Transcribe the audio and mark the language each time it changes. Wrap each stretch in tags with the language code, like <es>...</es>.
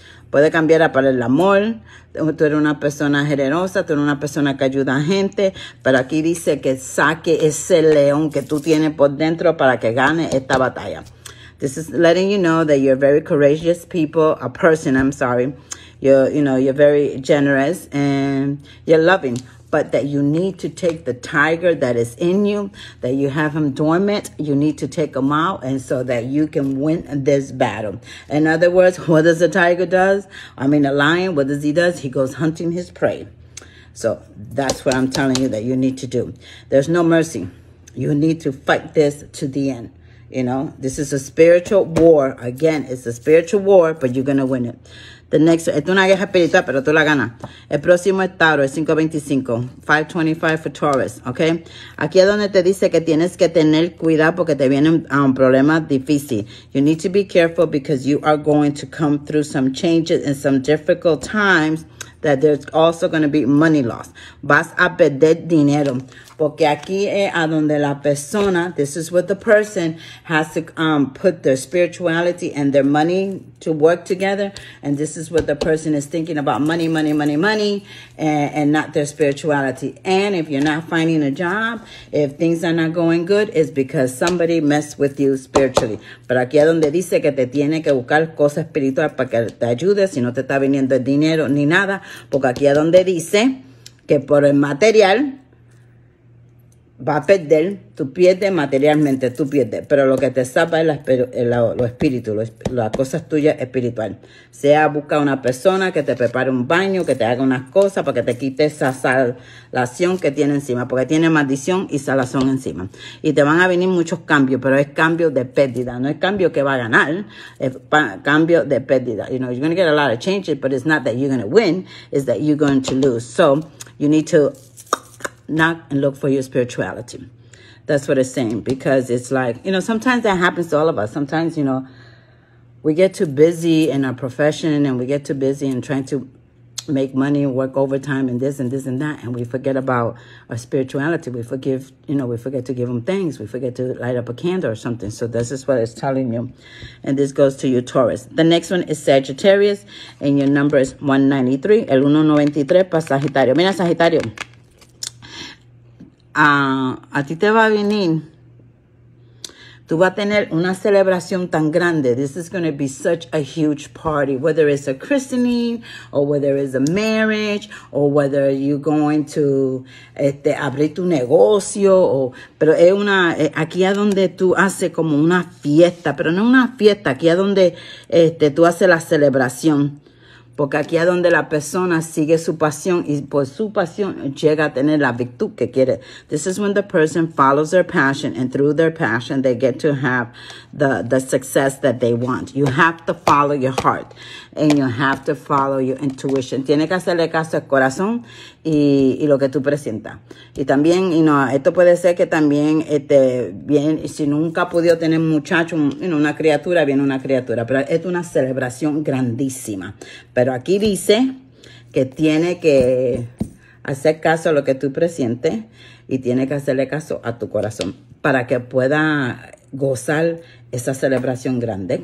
<es>Puedes cambiar para el amor, tú eres una persona generosa, tú eres una persona que ayuda a gente, pero aquí dice que saque ese león que tú tienes por dentro para que gane esta batalla.</es> <en>This is letting you know that you're very courageous people, a person, I'm sorry. You're very generous and you're loving. But that you need to take the tiger that is in you, that you have him dormant, you need to take him out and so that you can win this battle. In other words, what does a tiger does? I mean, a lion, what does? He goes hunting his prey. So that's what I'm telling you that you need to do. There's no mercy. You need to fight this to the end. You know, this is a spiritual war. Again, it's a spiritual war, but you're going to win it. The next,</en> <es>esto es una guerra espiritual, pero tú la ganas. El próximo es Tauro, el 525,</es> <en>525 for Taurus,</en> <es>¿ok? Aquí es donde te dice que tienes que tener cuidado porque te viene un problema difícil.</es> <en>You need to be careful because you are going to come through some changes and some difficult times that there's also going to be money loss.</en> <es>Vas a perder dinero porque aquí es a donde la persona,</es> <en>this is what the person has to put their spirituality and their money to work together. And this is what the person is thinking about, money, money, money, money, and not their spirituality. And if you're not finding a job, if things are not going good, it's because somebody messed with you spiritually.</en> <es>Pero aquí es donde dice que te tiene que buscar cosas espirituales para que te ayude, si no te está viniendo el dinero ni nada. Porque aquí es donde dice que por el material va a perder, tú pierdes materialmente, tú pierdes. Pero lo que te salva es lo espíritu, las cosas tuyas espiritual. Sea buscar una persona que te prepare un baño, que te haga unas cosas para que te quite esa salación que tiene encima. Porque tiene maldición y salación encima. Y te van a venir muchos cambios, pero es cambio de pérdida. No es cambio que va a ganar, es cambio de pérdida.</es> <en>You know, you're going to get a lot of changes, but it's not that you're going to win, it's that you're going to lose. So, you need to knock and look for your spirituality. That's what it's saying, because it's like, you know, sometimes that happens to all of us. Sometimes, you know, we get too busy in our profession and we get too busy in trying to make money and work overtime and this and this and that, and we forget about our spirituality. We forgive, you know, we forget to give them things. We forget to light up a candle or something. So this is what it's telling you. And this goes to you, Taurus. The next one is Sagittarius, and your number is 193.</en> <es>El 193 para Sagitario. Mira, Sagitario. A ti te va a venir. Tú vas a tener una celebración tan grande.</es> <en>This is going to be such a huge party, whether it's a christening or whether it's a marriage or whether you're going to</en> <es>abrir tu negocio. Pero es una, aquí es donde tú haces como una fiesta, pero no una fiesta. Aquí es donde tú haces la celebración. Porque aquí es donde la persona sigue su pasión y por su pasión llega a tener la virtud que quiere.</es> <en>This is when the person follows their passion, and through their passion they get to have the success that they want. You have to follow your heart and you have to follow your intuition.</en> <es>Tiene que hacerle caso al corazón y lo que tú presentas. Y también, you know, esto puede ser que también bien, si nunca ha podido tener muchacho, una criatura, viene una criatura. Pero es una celebración grandísima. Pero aquí dice que tiene que hacer caso a lo que tú presientes y tiene que hacerle caso a tu corazón para que pueda gozar esa celebración grande.</es>